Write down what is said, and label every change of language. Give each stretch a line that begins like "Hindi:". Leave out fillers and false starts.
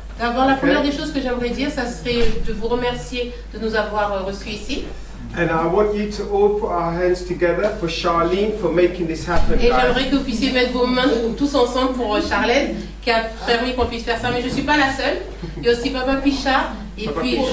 French: D'abord, la première des choses que j'aimerais dire, ça serait de vous remercier de nous avoir reçus ici.
English: And I want you to all put our hands together for Charlene for making this happen.
French: Et j'aimerais que vous puissiez mettre vos mains tous ensemble pour Charlène qui a permis qu'on puisse faire ça. Mais je ne suis pas la seule. Il y a aussi Papa Pichard et Papa puis Pichard.